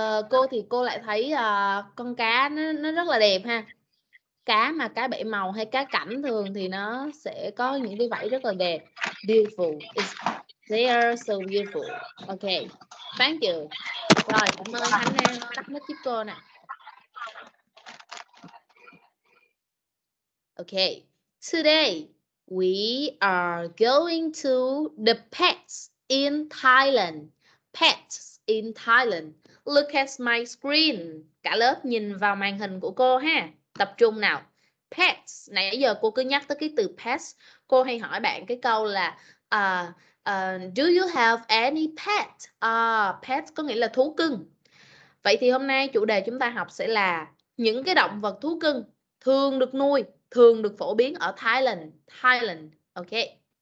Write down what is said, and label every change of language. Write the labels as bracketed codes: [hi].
[vi] Cô thì cô lại thấy con cá nó rất là đẹp ha. Cá mà cá bảy màu hay cá cảnh thường thì nó sẽ có những cái vảy rất là đẹp. [en] Beautiful. They are so beautiful. Okay. Thank you. [vi] Rồi, cảm ơn Thanh Lan tắt mic giúp cô nè. [en] Okay, today we are going to the pets in Thailand. Pets in Thailand. Look at my screen. [vi] Cả lớp nhìn vào màn hình của cô ha. Tập trung nào. Pets. Nãy giờ cô cứ nhắc tới cái từ pets. Cô hay hỏi bạn cái câu là [en] do you have any pet? [vi] Pets có nghĩa là thú cưng. Vậy thì hôm nay chủ đề chúng ta học sẽ là những cái động vật thú cưng thường được nuôi, thường được phổ biến ở Thailand. Okay.